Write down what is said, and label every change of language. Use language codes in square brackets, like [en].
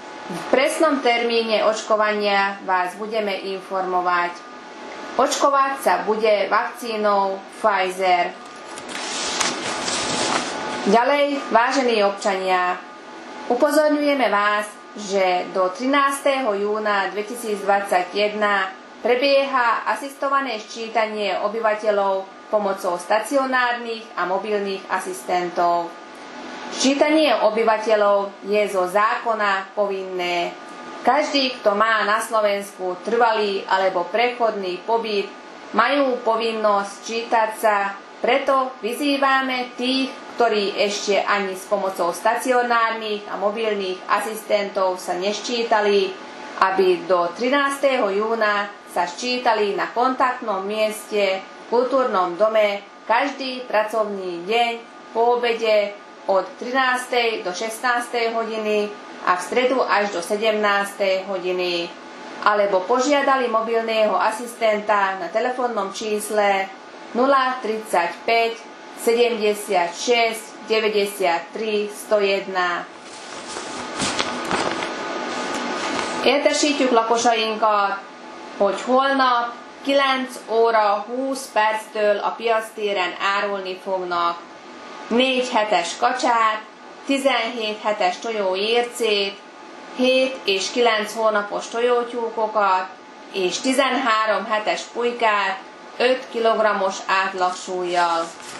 [sk] V presnom termíne očkovania vás budeme informovať. Očkovať sa bude vakcínou Pfizer. Ďalej, vážení občania, upozorňujeme vás, že do 13. júna 2021 prebieha asistované sčítanie obyvateľov pomocou stacionárnych a mobilných asistentov. Sčítanie obyvateľov je zo zákona povinné. Každý, kto má na Slovensku trvalý alebo prechodný pobyt, majú povinnosť sčítať sa, preto vyzývame tých, ktorí ešte ani s pomocou stacionárnych a mobilných asistentov sa nesčítali, aby do 13. júna sa sčítali na kontaktnom mieste v kultúrnom dome každý pracovný deň po obede od 13. do 16. hodiny a v stredu až do 17. hodiny. Alebo požiadali mobilného asistenta na telefónnom čísle 035 76 93 101. [hu] Értesítjük lakosainkat, hogy holnap 9 óra 20 perctől a piactéren árulni fognak 4 hetes kacsát, 17 hetes tojóércét, 7 és 9 hónapos tojótyúkokat és 13 hetes pulykát 5 kg-os átlagsúllyal.